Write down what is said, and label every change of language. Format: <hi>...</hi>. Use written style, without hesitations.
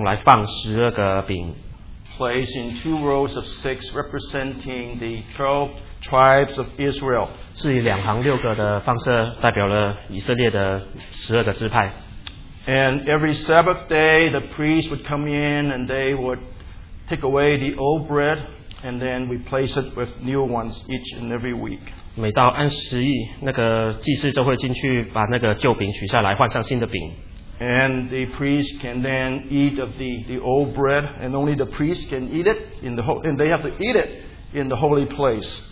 <zh>但是这个桌子的用途就是要用来放12个饼。</zh> <en>Placed in two rows of six, representing the 12 tribes of Israel.</en> <zh>是以两行六个的方式代表了以色列的十二个支派。</zh> <en>And every Sabbath day, the priest would come in and they would take away the old bread, and then replace it with new ones each and every week.</en> <zh>每到安息日，那个祭司就会进去把那个旧饼取下来，换上新的饼。</zh> <en>And the priest can then eat of the old bread, and only the priest can eat it in the and they have to eat it in the holy place.</en>